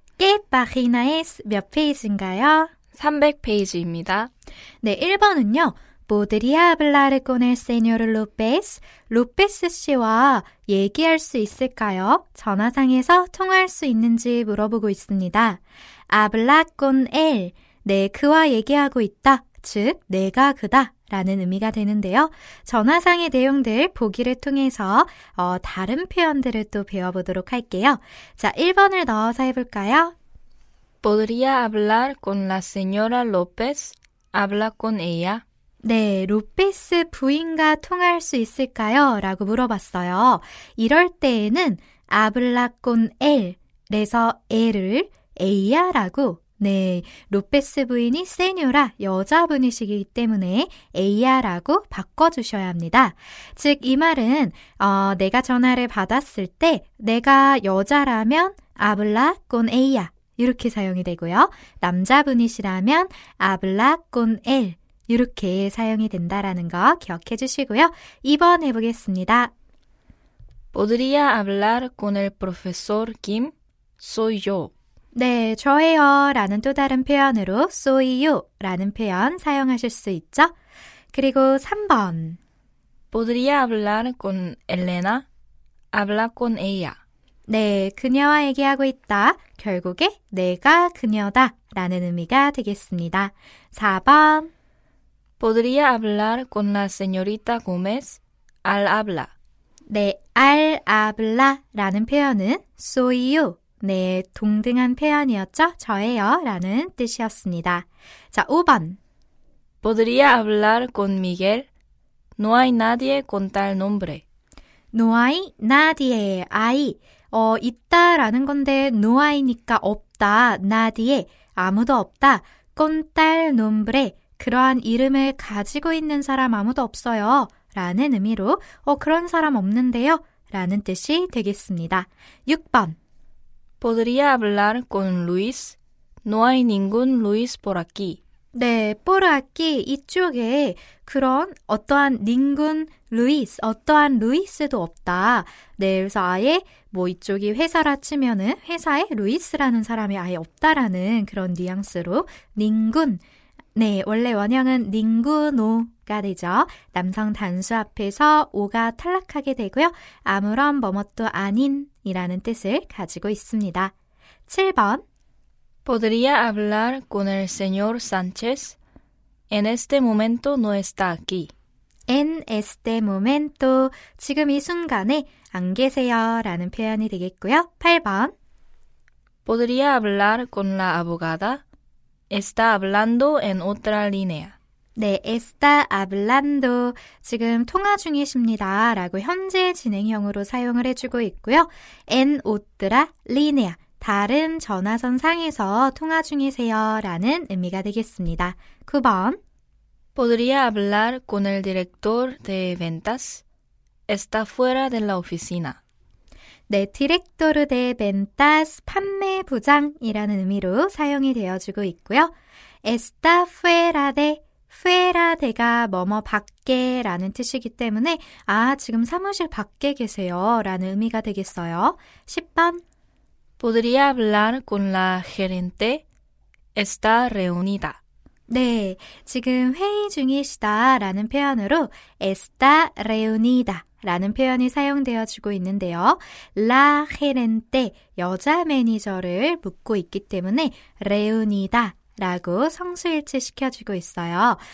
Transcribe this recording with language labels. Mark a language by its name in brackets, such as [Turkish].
[Korean] 끝 마지막에 몇 페이지인가요? 300페이지입니다. 네, 1번은요. [Spanish] Podría hablar con el señor López? [Korean] López 씨와 얘기할 수 있을까요? 전화상에서 통화할 수 있는지 물어보고 있습니다. [Spanish] Habla con él. [Korean] 네, 그와 얘기하고 있다. 즉, 내가 그다. 라는 의미가 되는데요. 전화상의 내용들 보기를 통해서 다른 표현들을 또 배워보도록 할게요. 자, 1번을 넣어서 해볼까요? [Spanish] Podría hablar con la señora López? Habla con ella. [Korean] 네, 로페스 부인과 통화할 수 있을까요? 라고 물어봤어요. 이럴 때에는 [Spanish] habla con él [Korean] 그래서 él을 ella라고 네, 로페스 부인이 세뇨라, 여자분이시기 때문에 에이야라고 바꿔주셔야 합니다. 즉, 이 말은 내가 전화를 받았을 때 내가 여자라면 아블라 콘 에이야 이렇게 사용이 되고요. 남자분이시라면 아블라 콘 엘 이렇게 사용이 된다라는 거 기억해 주시고요. 2번 해보겠습니다. [Spanish] Podría hablar con el profesor Kim? Soy yo. [Korean] 네, 저예요 라는 또 다른 표현으로 [Spanish] soy yo [Korean] 라는 표현 사용하실 수 있죠. 그리고 3번 [Spanish] Podría hablar con Elena? Habla con ella. [Korean] 네, 그녀와 얘기하고 있다. 결국에 내가 그녀다 라는 의미가 되겠습니다. 4번 [Spanish] Podría hablar con la señorita Gómez? Al habla. [Korean] 네, [Spanish] al habla [Korean] 라는 표현은 [Spanish] soy yo. [Korean] 네, 동등한 표현이었죠? 저예요 라는 뜻이었습니다. 자, 5번 [Spanish] Podría hablar con Miguel? No hay nadie con tal nombre. No hay nadie, 아이. [Korean] 있다 라는 건데 [Spanish] no hay [Korean] 니까 없다, nadie, 아무도 없다. [Spanish] Con tal nombre, [Korean] 그러한 이름을 가지고 있는 사람 아무도 없어요 라는 의미로 그런 사람 없는데요 라는 뜻이 되겠습니다. 6번 [Spanish] Podría hablar con Luis? No hay ningún Luis por aquí. [Korean] 네, [Spanish] por aquí [Korean] 이쪽에 그런 어떠한 [Spanish] ningún Luis, [Korean] 어떠한 루이스도 없다. 네, 그래서 아예 뭐 이쪽이 회사라 치면은 회사에 루이스라는 사람이 아예 없다라는 그런 뉘앙스로 ningún. 네, 원래 원형은 ninguno가 되죠. 남성 단수 앞에서 o가 탈락하게 되고요. 아무런 뭐뭐도 아닌 이라는 뜻을 가지고 있습니다. 7번 [Spanish] Podría hablar con el señor Sánchez? En este momento no está aquí. En este momento, [Korean] 지금 이 순간에 안 계세요 라는 표현이 되겠고요. 8번 [Spanish] Podría hablar con la abogada? Está hablando en otra línea. [Korean] 네, [Spanish] está hablando. [Korean] 지금 통화 중이십니다. 라고 현재 진행형으로 사용을 해주고 있고요. [Spanish] En otra línea. [Korean] 다른 전화선 상에서 통화 중이세요. 라는 의미가 되겠습니다. 9번 [Spanish] Podría hablar con el director de ventas? Está fuera de la oficina. [Korean] 네, [Spanish] director de ventas, [Korean] 판매부장이라는 의미로 사용이 되어주고 있고요. [Spanish] Está fuera de, fuera de [Korean] 가 뭐뭐 밖에 라는 뜻이기 때문에 아, 지금 사무실 밖에 계세요 라는 의미가 되겠어요. 10번 [Spanish] Podría hablar con la gerente? Está reunida. [Korean] 네, 지금 회의 중이시다 라는 표현으로 [Spanish] Está reunida. [Korean] 라는 표현이 사용되어지고 있는데요. [Spanish] La gerente, [Korean] 여자 매니저를 묻고 있기 때문에 reunida 라고 성수일치 시켜주고 있어요.